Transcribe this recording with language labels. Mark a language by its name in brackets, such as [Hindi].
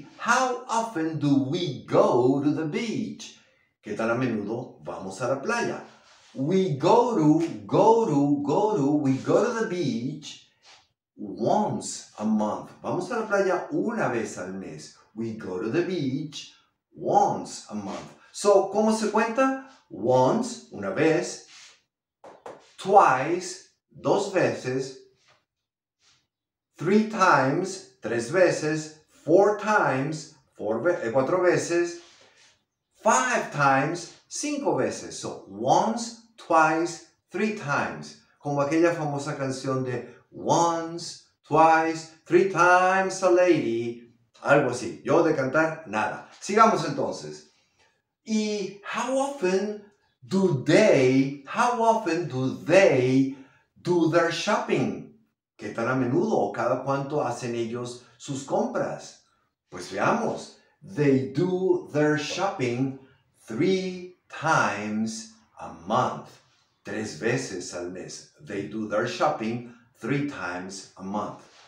[English] How often do we go to the beach? [Spanish] ¿Qué tan a menudo vamos a la playa? [English] We go to the beach once a month. [Spanish] Vamos a la playa una vez al mes. [English] We go to the beach once a month. [Spanish] So, ¿cómo se cuenta? Once, una vez. Twice, dos veces. 3 times, 3 veces, 4 times, 4 veces, 5 times, 5 veces. So, once, twice, 3 times. Como aquella famosa canción de once, twice, 3 times a lady. Algo así. Yo de cantar, nada. Sigamos entonces. [English] Y how often do they do their shopping? [Spanish] ¿Qué tan a menudo o cada cuánto hacen ellos sus compras? Pues veamos. [English] They do their shopping 3 times a month. [Spanish] 3 veces al mes. [English] They do their shopping 3 times a month.